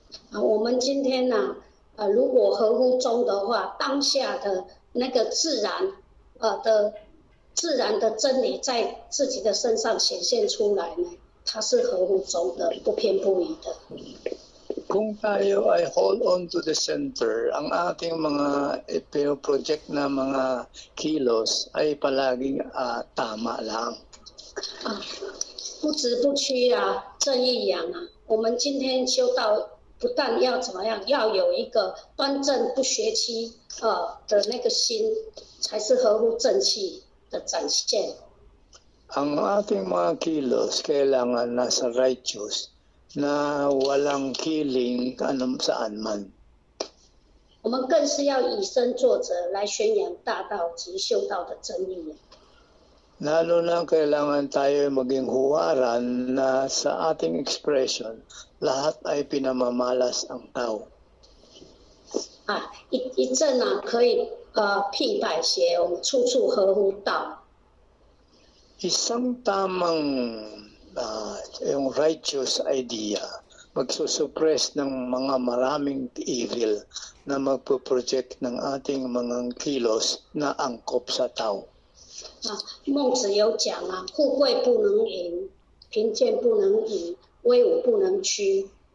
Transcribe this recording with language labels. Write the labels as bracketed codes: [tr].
[zh] 我们今天呢、啊如果合乎中的话，当下的那个自然的真理在自己的身上显现出来呢，它是合乎中的，不偏不倚的。 [tl] Kung tayo ay [en] hold on to the center, [tl] ang ating mga project na mga kilos ay palaging tama lang. [zh] 不知不屈啊，正义扬啊，我们今天修道。不但要怎么样，要有一个端正不学期的那个心，才是合乎正气的展现。 [tl] Ang ating mga kilos kailangan nasa righteous, na walang kiling anum saan man. [zh] 我们更是要以身作则来宣扬大道及修道的真理。 [tl] Lalo na kailangan tayo maging huwaran na sa ating expression, lahat ay pinamamalas ang tao. [zh] 一阵啊，可以辟百邪，我们处处合乎道。 [tl] Isang tamang yung righteous idea, magsusuppress ng mga maraming evil na magpo-project ng ating mga kilos na angkop sa tao. [zh] 孟子有讲啊，富贵不能淫，贫贱不能移，威武不能屈。